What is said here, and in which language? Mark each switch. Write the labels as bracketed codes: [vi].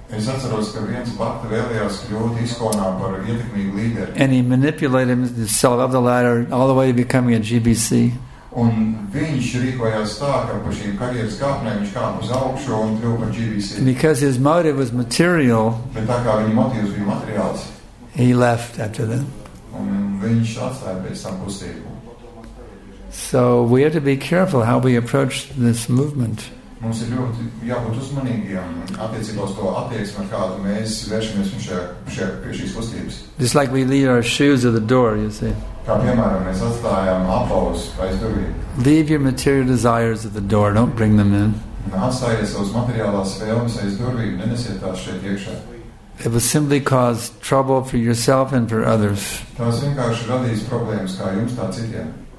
[lv] Es atceros, ka viens bhakti vēlējās kļūt Iskonā par ietekmīgu līderi. [en] And he manipulated himself up the ladder all the way to becoming a GBC. [lv] Un viņš rīkojās tā, ka pa šīm karjeras kāpnēm viņš kāp uz augšu un kļūt par GBC. [en] And because his motive was material, [lv] bet tā kā viņa motīvs bija materiāls, [en] he left after that. [lv] Un viņš atstāja bez tam pusību. [en] So we have to be careful how we approach this movement. [lv] Mums ir ļoti jābūt uzmanīgiem attiecībā uz to attieksmi, ar kādu mēs vēršamies pie šīs kustības. [en] Just like we leave our shoes at the door, you see. [lv] Kā piemēram, mēs atstājam apavus aiz durvīm. [en] Leave your material desires at the door, don't bring them in. [lv] Atstājiet savus materiālās vēlmes aiz durvīm, nenesiet tās šeit iekšā. [en] It will simply cause trouble for yourself and for others. [lv] Tās vienkārši radīs problēmas kā jums, tā citiem.